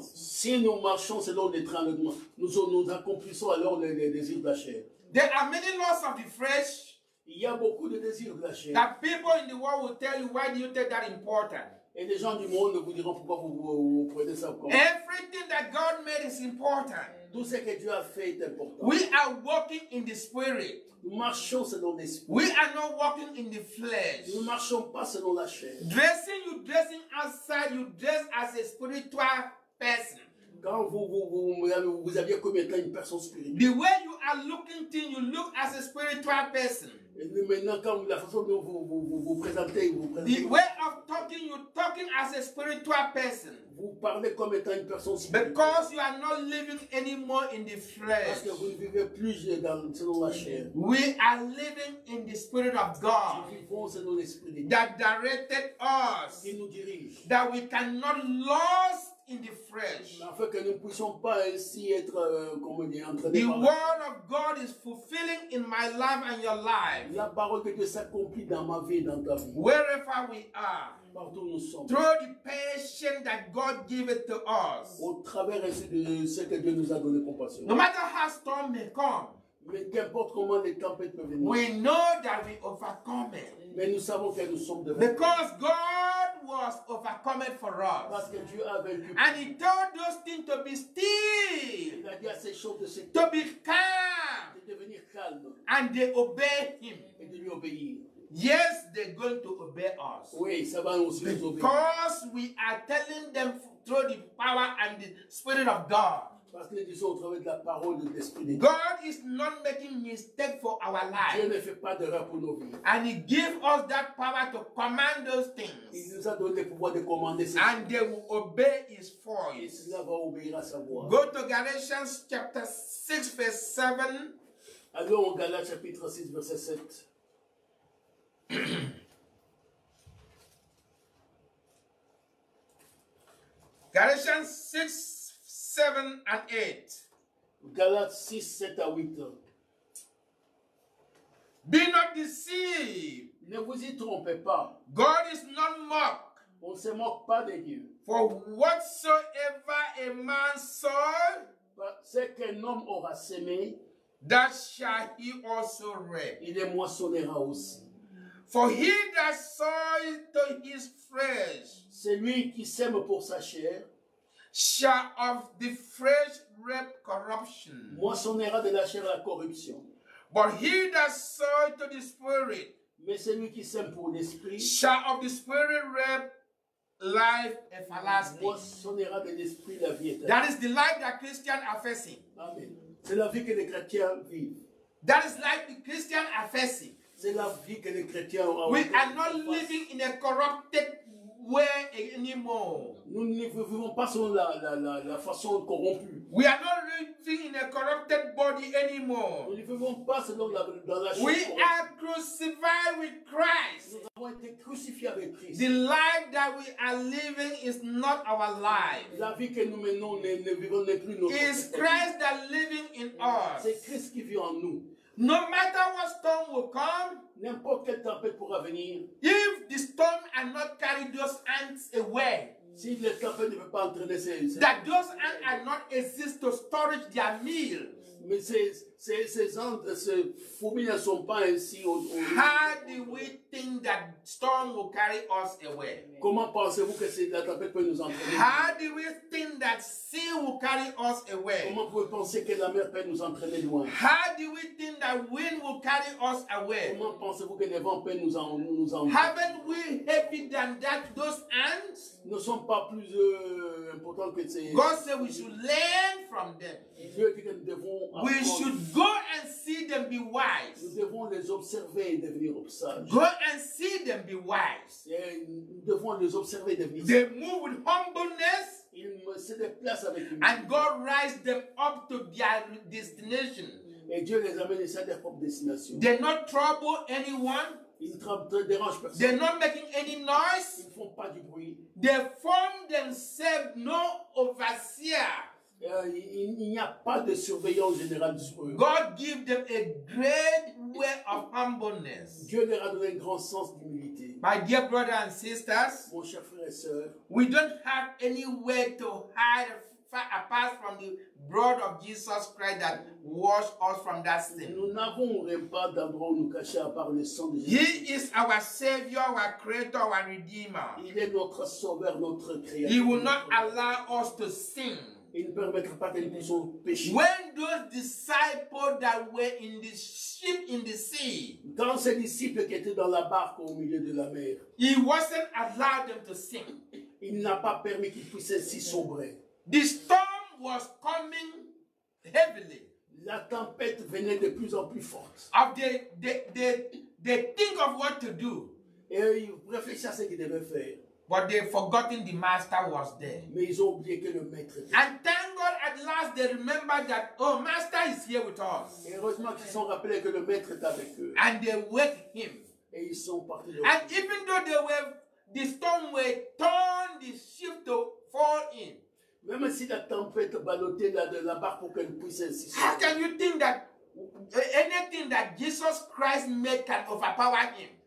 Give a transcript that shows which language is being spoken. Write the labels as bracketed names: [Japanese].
[French] Si nous marchons selon les traits, nous accomplissons alors les désirs de la chair. [English] There are many lusts of the flesh. [French] Il y a beaucoup de désirs de la chair. [English] That people in the world will tell you, why do you take that important? [French] Et les gens du monde vous diront pourquoi vous prenez ça comme. [English] Everything that God made is important. [French] Tout ce que Dieu a fait est important. [English] We are walking in the spirit. [French] Nous marchons selon l'esprit. [English] We are not walking in the flesh. [French] Nous marchons pas selon la chair. [English] Dressing outside, you dress as a spiritual person. [French] Quand vous aviez comme étant une personne spirituelle. [English] The way you are looking thing, you look as a spiritual person. [French] Et maintenant, quand la façon dont vous présentez, [English] The way of talking, you're talking as a spiritual person. [French] Vous parlez comme étant une personne spirituelle. [English] Because you are not living anymore in the flesh. [French] Parce que vous ne vivez plus selon la chair. [English] We are living in the spirit of God. [French] Selon l'esprit [English] that directed us. [French] Qui nous dirige. [English] That we cannot lost in the flesh. [French] Afin que nous puissions pas ainsi être comme dire entraînés par [English] la. The word of God is fulfilling in my life and your life. [French] La parole de Dieu s'accomplit dans ma vie et dans ta vie. [English] Wherever we are. [French] Partout nous sommes. [English] Through the patience that God gave it to us. [French] Au travers de ce que Dieu nous a donné compassion. [English] No matter how storm may come. [French] Mais qu'importe comment les tempêtes peuvent venir. [English] We know that we overcome it. [French] Mais nous savons que nous sommes devant. [English] Because God was overcome it for us. [French] Parce que Dieu a vaincu. [English] And He told those things to be still. [French] Il a dit à ces choses de se [English] to be calm. [French] De devenir calme. [English] And they obey Him. [French] Et de lui obéir. [English] Yes, they're going to obey us. [French] Oui, ça va nous [English] because [French] obéir. [English] We are telling them through the power and the Spirit of God. [French] Parce que disons au travers de la parole de l'Esprit de Dieu. [English] God is not making mistake for our life. [French] Dieu ne fait pas d'erreur pour nos vies. [English] And He gave us that power to command those things. [French] Il nous a donné le pouvoir de commander ces [English] and choses. And they will obey His voice. [French] Et cela va obéir à sa voix. [English] Go to Galatians chapter 6 verse 7. [French] Allons au Galates chapitre 6 verset 7. [English] Galatians 6 7 and 8. [French] Galates 6, 7 à 8. [English] Be not deceived. [French] Ne vous y trompez pas. [English] God is not mocked. [French] On ne se moque pas de Dieu. [English] For whatsoever a man sow, [French] ce qu'un homme aura semé, [English] that shall he also reap. [French] Il le moissonnera aussi. [English] For he that sows to his flesh, [French] celui qui sème pour sa chair, [English] shall of the flesh reap corruption. [French] Moissonnera de la chair la corruption. [English] But he that sows to the Spirit, [French] mais celui qui sème pour l'esprit, [English] shall of the Spirit reap life everlasting. [French] Moissonnera de l'esprit la vie éternelle. [English] That is the life that Christians are facing. Amen. [French] C'est la vie que les chrétiens vivent. [English] That is life the Christians are facing. [French] C'est la vie que les chrétiens ont. [English] We are not living in a corrupted way anymore. [French] Nous ne vivons pas selon la façon corrompue. [English] We are not living in a corrupted body anymore. [French] Nous ne vivons pas selon la chair corrompue. [English] We are crucified with Christ. [French] Nous avons été crucifiés avec Christ. [English] The life that we are living is not our life. [French] La vie que nous menons ne vivons n'est plus notre. [English] It's Christ that living in us. [French] C'est Christ qui vit en nous. [English] No matter what storm will come, [French] n'importe quelle tempête pourra venir. [English] If the storm and not carry those ants away, [French] si les tempêtes ne peuvent pas entraîner ces [English] that those ants are not exist to storage their meal. [French] Mais ces ants, ces fourmis ne sont pas ainsi. [English] How do we think that storm will carry us away? [French] Comment pensez-vous que la tempête peut nous entraîner? [English] How do we think that sea will carry us away? [French] Comment pouvez-vous penser que la mer peut nous entraîner loin? [English] How do we think that wind will carry us away? [French] Comment pensez-vous que le vent peut nous emmener? [English] Haven't we heavy than that those ants? [French] Ne sont pas plus importants que ces. [English] God said we should learn from them. [French] Dieu dit que nous devons apprendre. [English] We should go and see them be wise. [French] Nous devons les observer et devenir sages. [English] Go and see them be wise. [French] Les observer, les [English] they move with humbleness [French] se déplace avec une [English] and God raise them up to their destination. [French] Et Dieu les amène à leur propre destination. [English] They not trouble anyone. [French] Ils dérangent personne. [English] They're not making any noise. [French] Ils font pas du bruit. [English] They form themselves no overseer. [French] Il n'y a pas de surveillant général sur eux. [English] God give them a great way of humbleness. [French] Dieu leur a donné un grand sens d'humilité. [English] My dear brothers and sisters, [French] mon cher frère et soeur, [English] we don't have anywhere to hide apart from the blood of Jesus Christ that washed us from that sin. [French] Nous n'avons rien pas d'endroit où nous cacher à part le sang de Jésus. [English] He is our Savior, our Creator, our Redeemer. [French] Il est notre Sauveur, notre Créateur. [English] He will not allow us to sin. [French] Il ne permettra pas que nous puissions pécher. [English] When those disciples that were in the ship in the sea, [French] quand ces disciples qui étaient dans la barque au milieu de la mer, [English] he wasn't allowed them to sink. [French] Il n'a pas permis qu'ils puissent s'y sombrer. [English] The storm was coming heavily. [French] La tempête venait de plus en plus forte. [English] Of they think of what to do. [French] Et ils réfléchissaient à ce qu'ils devaient faire. [English] But they've forgotten the master was there. [French] Mais ils ont oublié que le maître était. [English] And thank God at last they remember that, oh, master is here with us. [French] Et heureusement qu'ils se sont rappelés que le maître est avec eux. [English] And they wake him. [French] Et ils sont partis. [English] And even though the storm were torn the ship to fall in. [French] Même si la tempête ballottait là-bas pour qu'elle puisse ainsi. [English] How can you think that anything that Jesus Christ made can overpower him?